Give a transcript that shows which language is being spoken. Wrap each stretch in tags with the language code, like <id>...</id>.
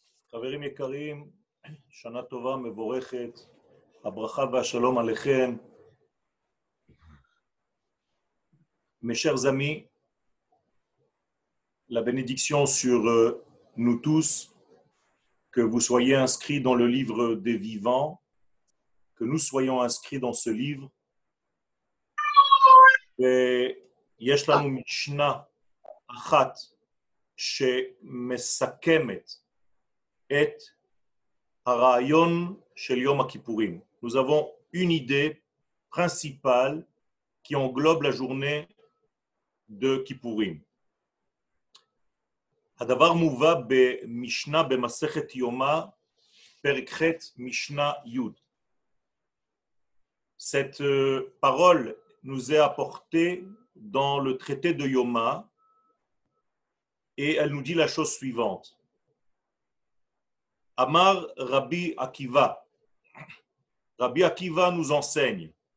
<he>חברים יקרים, שנה טובה, מבורכת, הברכה והשלום עליכם.</he> <fr>Mes chers amis, la bénédiction sur nous tous, que vous soyez inscrits dans le livre des vivants, que nous soyons inscrits dans ce livre.</fr> <he>ויש לנו משנה אחת שמסכמת את הרעיון של יום הכיפורים.</he> <fr>Nous avons une idée principale qui englobe la journée de Kippourim.</fr> <he>הדבר מובא במשנה במסכת יומא, פרק ח' משנה י'.</he> <fr>Cette parole nous est apportée dans le traité de Yoma et elle nous dit la chose suivante.</fr> <he>Amar Rabbi Akiva.</he> <fr>Rabbi Akiva nous enseigne.</fr>